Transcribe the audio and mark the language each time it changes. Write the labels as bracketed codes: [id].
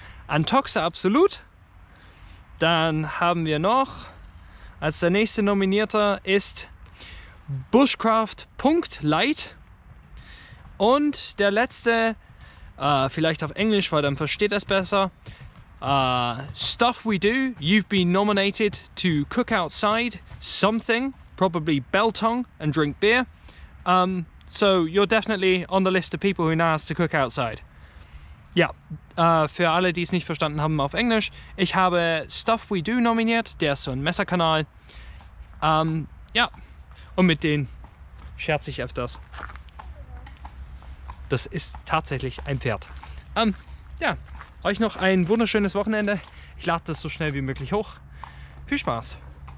[de] Antoxa Absolut? Dann haben wir noch... Als der nächste Nominierter ist... Bushcraft.light. Und der letzte, vielleicht auf Englisch, weil dann versteht es besser. [en] Stuff We Do, you've been nominated to cook outside something, probably Beltong, and drink beer. So you're definitely on the list of people who now has to cook outside. [de] Ja, für alle, die es nicht verstanden haben auf Englisch, ich habe Stuff We Do nominiert, der ist so ein Messerkanal. Ja, und mit denen scherze ich öfters. Das ist tatsächlich ein Pferd. Ja, euch noch ein wunderschönes Wochenende. Ich lade das so schnell wie möglich hoch. Viel Spaß!